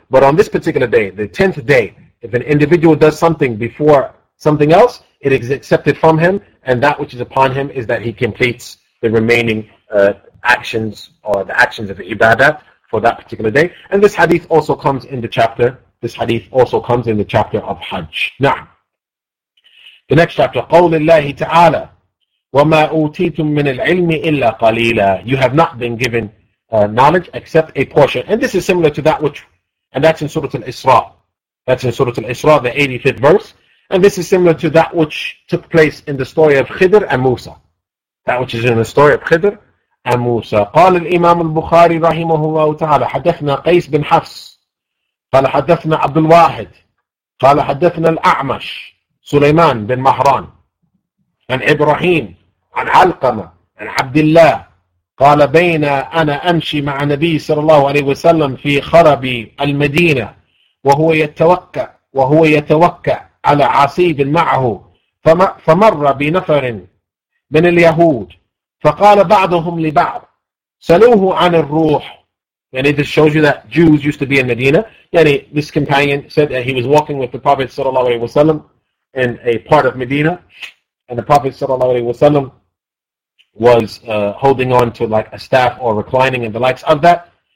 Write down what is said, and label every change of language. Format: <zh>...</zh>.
<en>But on this particular day, the 10th day, if an individual does something before something else, it is accepted from him, and that which is upon him is that he completes the remaining actions, or the actions of the ibadah for that particular day. And this hadith also comes in the chapter. This hadith also comes in the chapter of Hajj. Now, the next chapter,</en> <ar>قول الله تعالى وما أوتيتم من العلم إلا قليلا.</ar> <en>You have not been given knowledge except a portion. And this is similar to that which, and that's in Surah Al-Isra. That's in Surah Al-Isra, the 85th verse. And this is similar to that which took place in the story of Khidr and Musa. That which is in the story of Khidr and Musa.</en> <ar>قال الإمام البخاري رحمه الله تعالى حدثنا قيس بن حفص قال حدثنا عبد الواحد قال حدثنا الأعمش سليمان بن مهران عن إبراهيم عن علقمة عن عبد الله قال بين أنا أمشي مع النبي صلى الله عليه وسلم في خرب المدينة وهو يتوكع على عصيب معه فمر بنفر من اليهود فقال بعضهم لبعض سلوه عن الروح.</ar> <en>And it just shows you that Jews used to be in Medina. Yani this companion said that he was walking with the Prophet</en> <ar>صلى الله عليه وسلم</ar> <en>in a part of Medina, and the Prophet sallallahu alaihi wasallam was holding on to like a staff or reclining and the likes of that.</en>